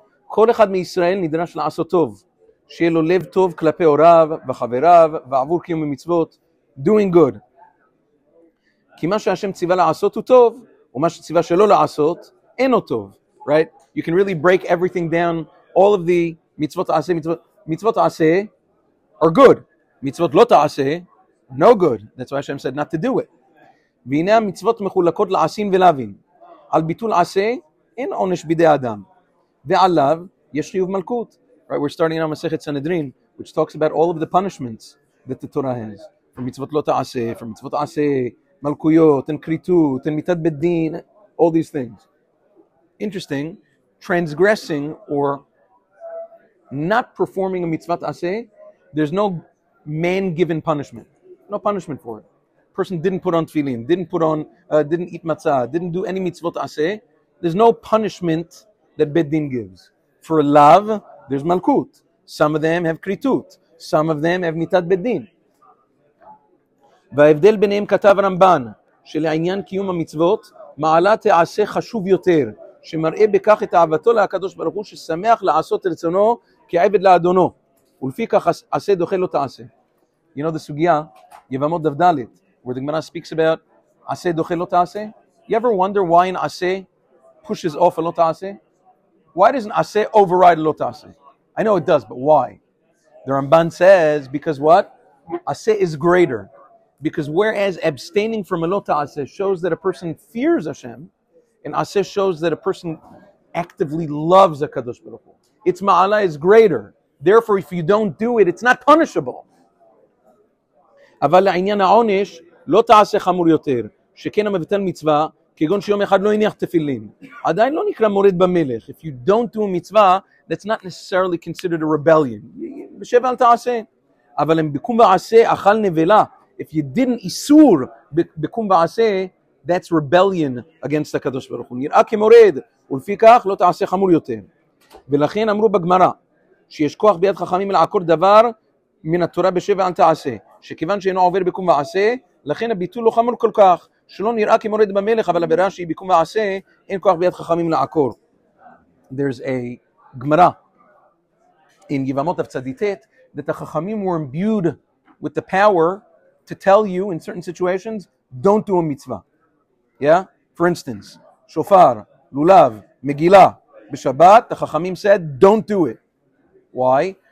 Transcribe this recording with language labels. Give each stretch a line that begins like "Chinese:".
Hebrew: כל אחד מישראל נדרש לעשות טוב, שיהיה לו לב טוב כלפי הוריו וחבריו ועבור קיום המצוות.
English: Doing good.
Hebrew: כי מה שהשם ציווה לעשות הוא טוב, ומה שציווה שלא לעשות, אינו טוב.
English: Right? You can really break everything down, all of the mitzvot ta'aseh, mitzvot ta'aseh are good. Mitzvot לא ta'aseh, no good. That's why Hashem said not to do it.
Hebrew: והנה המצוות מחולקות לעשין ולהבין. על ביטול עשה, אין עונש בידי אדם. ועליו יש חיוב מלכות.
English: Right, we're starting now מסכת סנהדרין, which talks about all of the punishments that the Torah has. From מצוות לא תעשה, from מצוות עשה, מלכויות, and כריתות, and מיתת בית דין, all these things. Interesting, transgressing or not performing a מצוות עשה, there's no man-given punishment. No punishment for it. Person didn't put on tefillin, didn't eat matzah, didn't do any mitzvot aseh. There's no punishment that Bet Din gives. For lav, there's malkut. Some of them have kritut. Some of them have mitat Bet Din.
Hebrew: וההבדל ביניהם כתב רמב"ן שלעניין קיום המצוות מעלה תעשה חשוב יותר שמראה בכך את אהבתו להקדוש ברוך הוא ששמח לעשות רצונו כעבד לאדונו ולפי כך עשה דוחה לא תעשה.
English: You know the סוגיה, יבמות דו דלת, where the Gemara speaks about Aseh Dochel Lo Ta'aseh. You ever wonder why an Aseh pushes off a Lo Ta'aseh? Why doesn't Aseh override Lo Ta'aseh? I know it does, but why? The Ramban says, because what? Aseh is greater. Because whereas abstaining from a Lo Ta'aseh shows that a person fears Hashem, and Aseh shows that a person actively loves a Kadosh Baruch Hu. Its ma'ala is greater. Therefore, if you don't do it, it's not punishable.
Hebrew: אבל לעניין העונש, לא תעשה חמור יותר, שכן המבטל מצווה, כגון שיום אחד לא הניח תפילין. עדיין לא נקרא מורד במלך.
English: If you don't do a mitzvah, that's not necessarily considered a rebellion.
Hebrew: בשב אל תעשה. אבל אם בקום ועשה, אכל נבלה.
English: If you didn't
Hebrew: איסור בקום ועשה,
English: that's rebellion against the Kadosh Baruch Hu.
Hebrew: נראה כמורד, ולפי כך לא תעשה חמור יותר. ולכן אמרו בגמרא, שיש כוח ביד חכמים לעקור דבר מן התורה בשב אל תעשה. שכיוון שאינו עובר בקום ועשה, לכן הביטול לא חמור כל כך, שלא נראה כמורד במלך, אבל הברירה שהיא בקום ועשה, אין כוח ביד חכמים לעקור.
English: There's a גמרא, in יבמות הפצדיתת, that the חכמים were imbued with the power to tell you in certain situations, don't do a mitzvah. Yeah? For instance, שופר, לולב, מגילה, בשבת, the חכמים said, don't do it. Why?